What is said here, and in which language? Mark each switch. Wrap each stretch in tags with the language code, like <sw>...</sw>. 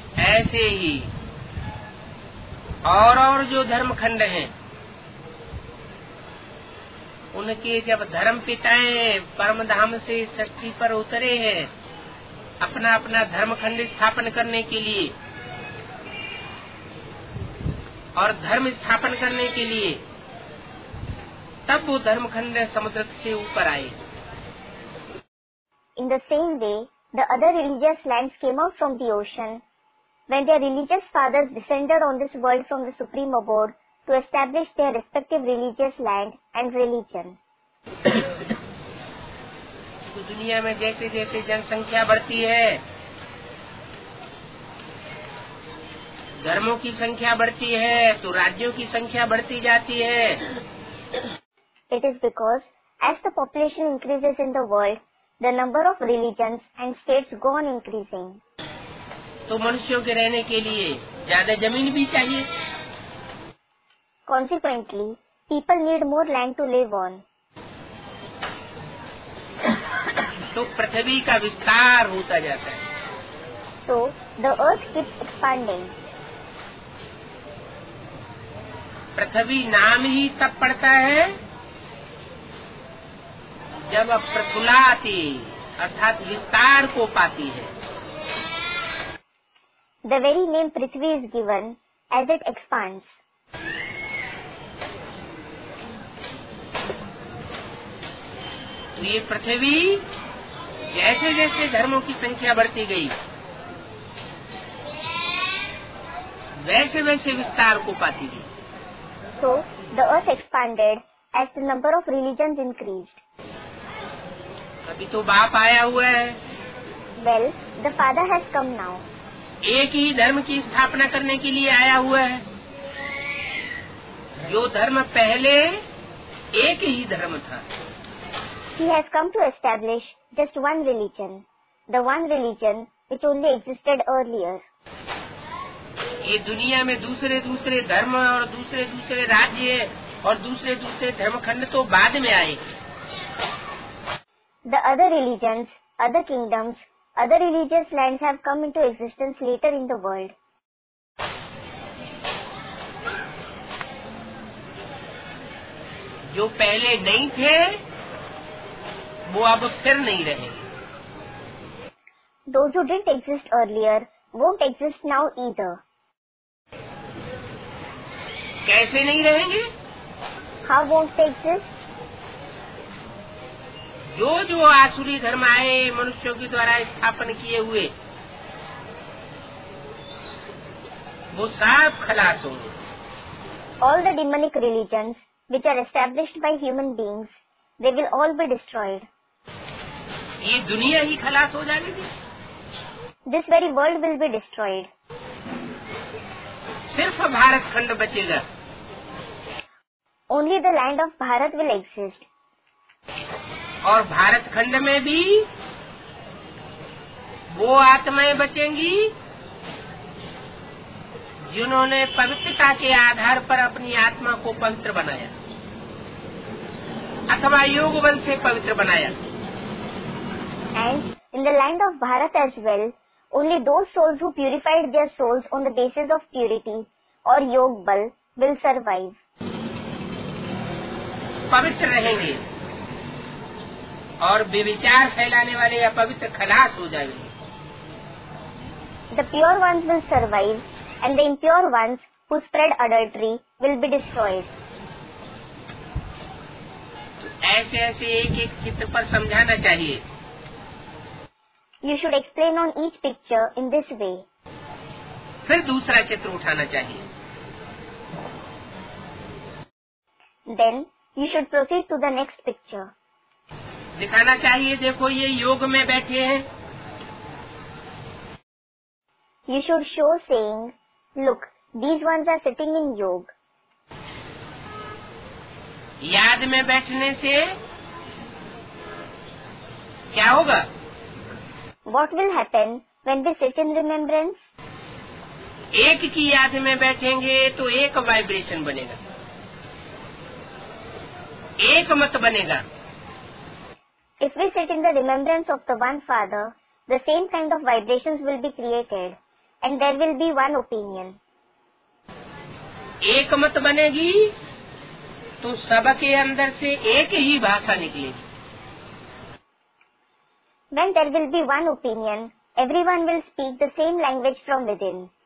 <hi>ऐसे ही और जो धर्मखंड हैं, उनके जब धर्म पिताएं परम धाम से सृष्टि पर उतरे हैं अपना अपना धर्मखंड स्थापन करने के लिए और धर्म स्थापन करने के लिए, तब वो धर्मखंड समुद्र से ऊपर आए.</hi> <en>In the same way, the other religious lands came out from the ocean when their religious fathers descended on this world from the supreme abode to establish their respective religious land and religion.</en> <hi>दुनिया में जैसे जैसे जनसंख्या बढ़ती है, धर्मों की संख्या बढ़ती है तो राज्यों की संख्या बढ़ती जाती है.</hi> <en>It is because as the population increases in the world, the number of religions and states go on increasing.</en> <hi>तो मनुष्यों के रहने के लिए ज्यादा जमीन भी चाहिए.</hi> <en>Consequently, people need more land to live on.</en> <hi>तो पृथ्वी का विस्तार होता जाता है.</hi> <en>So the earth keeps expanding.</en> <hi>पृथ्वी नाम ही तब पड़ता है जब प्रफुल्लाती अर्थात विस्तार को पाती है.</hi> <en>The very name Prithvi is given as it expands.</en> <hi>तो ये पृथ्वी जैसे जैसे धर्मों की संख्या बढ़ती गई, वैसे वैसे विस्तार को पाती गई.</hi> <en>So the earth expanded as the number of religions increased.</en> <hi>अभी तो बाप आया हुआ है.</hi> <en>Well, the father has come now.</en> <hi>एक ही धर्म की स्थापना करने के लिए आया हुआ है. जो धर्म पहले एक ही धर्म था.</hi> <en>He has come to establish just one religion, the one religion which only existed earlier.</en> <hi>ये दुनिया में दूसरे दूसरे धर्म और दूसरे दूसरे राज्य और दूसरे दूसरे धर्मखंड तो बाद में आए.</hi> <en>The other religions, other kingdoms, other religious lands have come into existence later in the world.</en> <hi>जो पहले नहीं थे वो अब फिर नहीं रहे.</hi> <en>Those who didn't exist earlier won't exist now either.</en> <hi>कैसे नहीं रहेंगे?</hi> <en>How won't they exist?</en> <hi>जो जो आसुरी धर्म आए मनुष्यों के द्वारा स्थापन किए हुए वो सब खलास होंगे.</hi> <en>All the demonic religions which are established by human beings, they will all be destroyed.</en> <hi>ये दुनिया ही खलास हो जाएगी.</hi> <en>This very world will be destroyed.</en> <hi>सिर्फ भारत खंड बचेगा.</hi> <en>Only the land of Bharat will exist.</en> <hi>और भारत खंड में भी वो आत्माएं बचेंगी जिन्होंने पवित्रता के आधार पर अपनी आत्मा को पवित्र बनाया अथवा योग बल से पवित्र बनाया.</hi> <en>And in the land of Bharat as well, only those souls who purified their souls on the basis of purity or yog bal will survive.</en> <hi>Pavitra rahenge. और विचार फैलाने वाले अपवित्र खलास हो जाएंगे।</hi> <en>The pure ones will survive and the impure ones who spread adultery will be destroyed.</en> <hi>ऐसे ऐसे एक एक चित्र पर समझाना चाहिए।</hi> <en>You should explain on each picture in this way.</en> <hi>फिर दूसरा चित्र उठाना चाहिए।</hi> <en>Then you should proceed to the next picture.</en> <hi>दिखाना चाहिए, देखो ये योग में बैठे हैं।</hi> <en>You should show saying, look, these ones are sitting in yoga.</en> <hi>याद में बैठने से क्या होगा?</hi> <en>What will happen when we sit in remembrance?</en> <hi>एक की याद में बैठेंगे तो एक वाइब्रेशन बनेगा, एक मत बनेगा।</hi> <en>If we sit in the remembrance of the one father, the same kind of vibrations will be created. And there will be one opinion.</en> <hi>एक मत बनेगी तो सबके अंदर से एक ही भाषा निकलेगी।</hi> <en>When there will be one opinion, everyone will speak the same language from within.</en>